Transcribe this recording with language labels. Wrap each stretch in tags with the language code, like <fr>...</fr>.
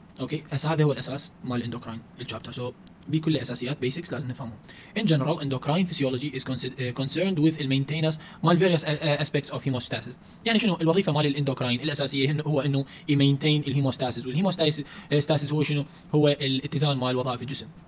<ar>اوكي هسه هذا هو الاساس مال الاندوكراين الشابتر. سو بكل الاساسيات بيسكس لازم نفهمهم.</ar> <en>In general endocrine physiology is concerned with the maintenance of various aspects of hemostasis.</en> <ar>يعني شنو الوظيفه مال الاندوكراين الاساسيه؟ هو انه يمينتين الهيموستاسيس. والهيموستاسيس هو شنو؟ هو الاتزان مال وظائف الجسم.</ar>